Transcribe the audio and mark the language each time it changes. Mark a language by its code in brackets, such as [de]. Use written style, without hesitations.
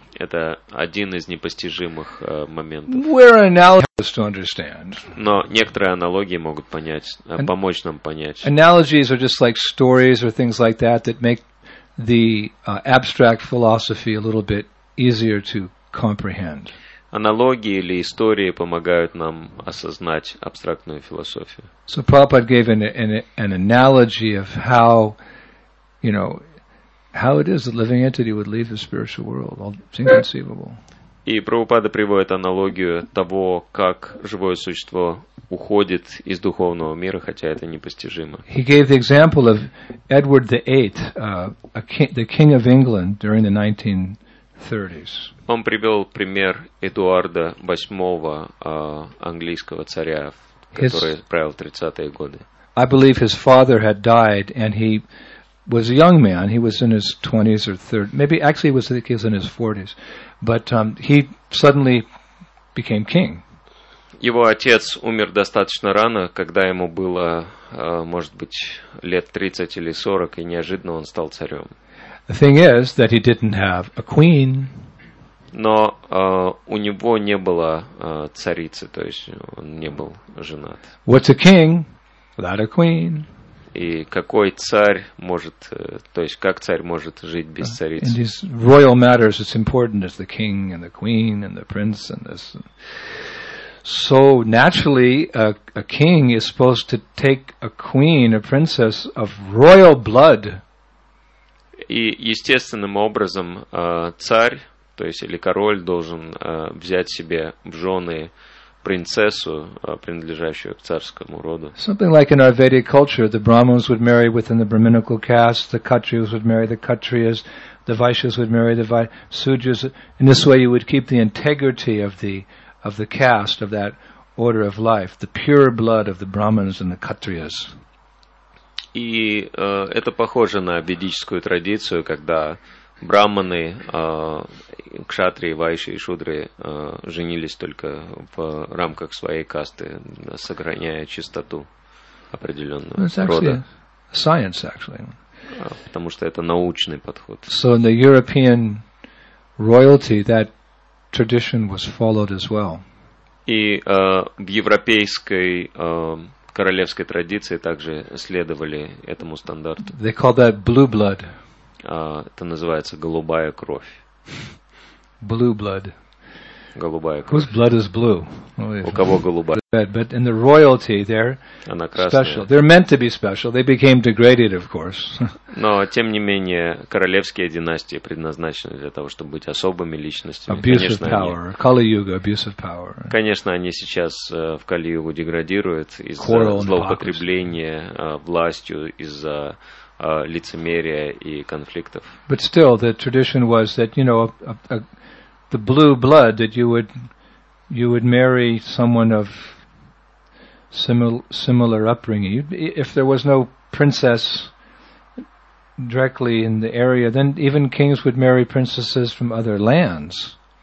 [ru] Это один из непостижимых моментов. [en] We're analogous to understand. [ru] Но некоторые аналогии могут понять, помочь нам понять. [en] Analogies are just like stories or things like that that make the abstract philosophy a little bit easier to comprehend. [ru] Аналогии или истории помогают нам осознать абстрактную философию. [en] So Prabhupada gave an analogy of how, you know, how it is that living entity would leave the spiritual world. It's inconceivable. [ru] И Прабхупада приводит аналогию того, как живое существо уходит из духовного мира, хотя это непостижимо. [en] He gave the example of Edward VIII, the king of England during the 1930s. [ru] Он привел пример Эдуарда VIII, английского царя, который правил в 30-е годы. [en] I believe his father had died, and he was a young man. He was in his 20s or 30s. Maybe actually he was in his 40s. But he suddenly became king. [ru] Его отец умер достаточно рано, когда ему было, может быть, лет 30 или 40, и неожиданно он стал царем. [en] The thing is that he didn't have a queen. [ru] Но у него не было царицы, то есть он не был женат. [en] What's a king without a queen? [ru] И какой царь может, то есть как царь может жить без царицы? [en] In these royal matters, it's important as the king and the queen and the prince and this. So naturally, a king is supposed to take a queen, a princess of royal blood. [ru] И естественным образом царь, то есть или король, должен взять себе в жены принцессу, принадлежащую к царскому роду. [en] Something like in our Vedic culture, the Brahmins would marry within the Brahminical caste, the Kshatriyas would marry the Kshatriyas, the Vaishyas would marry the Sudras. In this way, you would keep the integrity of the caste, of that order of life, the pure blood of the Brahmins and the Kshatriyas. [ru] И это похоже на ведическую традицию, когда Брахманы, кшатрии, вайши и шудры женились только в рамках своей касты, сохраняя чистоту определенного рода. [en] Science, actually. [ru] Потому что это научный подход. [en] So in the European royalty, that tradition was followed as well. [ru] И в европейской королевской традиции также следовали этому стандарту. [en] They call that blue blood. [ru] Это называется голубая кровь. [en] Blue blood. [ru] Голубая кровь. [en] Whose blood is blue? [ru] У кого голубая? [en] But in the royalty, they're special. They're meant to be special. They became degraded, of course. [ru] Но тем не менее королевские династии предназначены для того, чтобы быть особыми личностями. [en] Abuse of power. Kali-yuga, abuse of power. [ru] Конечно, они сейчас в Кали-югу деградируют из-за злоупотребления властью, из-за лицемерия и конфликтов. [en] But still, the tradition was that, you know, the blue blood, that you would marry someone of similar upbringing. If there was no princess directly in the area, then even kings would marry princesses from other lands.